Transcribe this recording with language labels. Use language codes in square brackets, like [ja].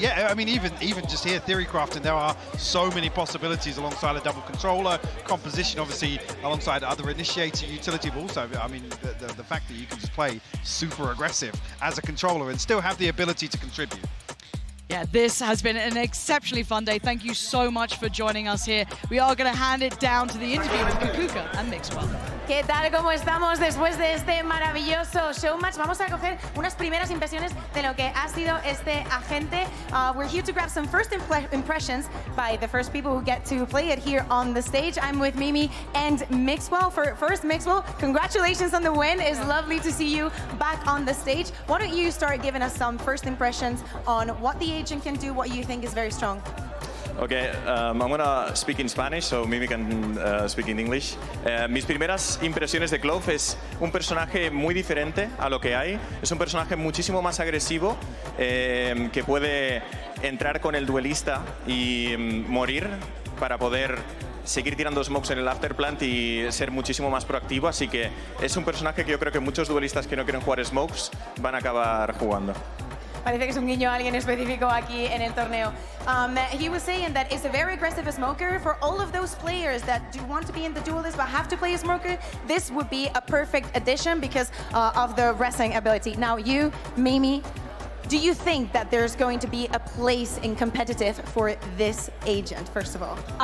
[en] Yeah, I mean, even just here, Theorycraft, and there are so many possibilities alongside a double controller, composition, obviously, alongside other initiator utility, but also, I mean, the fact that you can just play super aggressive as a controller and still have the ability to contribute. Yeah, this has been an exceptionally fun day. Thank you so much for joining us here. We are going to hand it down to the interview with Kukuka and Mixwell. [es] ¿Qué tal? ¿Cómo estamos después de este maravilloso showmatch? Vamos a coger unas primeras impresiones de lo que ha sido este agente. [en] We're here to grab some first impressions by the first people who get to play it here on the stage. I'm with Mimi and Mixwell. First, Mixwell, congratulations on the win. It's lovely to see you back on the stage. Why don't you start giving us some first impressions on what the agent can do, what you think is very strong? Okay, I'm gonna speak in Spanish, so Mimi can speak in English. [es] Mis primeras impresiones de Clove es un personaje muy diferente a lo que hay. Es un personaje muchísimo más agresivo, que puede entrar con el duelista y morir para poder seguir tirando smokes en el afterplant y ser muchísimo más proactivo. Así que es un personaje que yo creo que muchos duelistas que no quieren jugar smokes van a acabar jugando. Parece que es un guiño a alguien específico aquí en el torneo. [en] He was saying that it's a very aggressive smoker. For all of those players that do want to be in the duelist but have to play a smoker, this would be a perfect addition because of the wrestling ability. Now you, Mimi, do you think that there's going to be a place in competitive for this agent, first of all?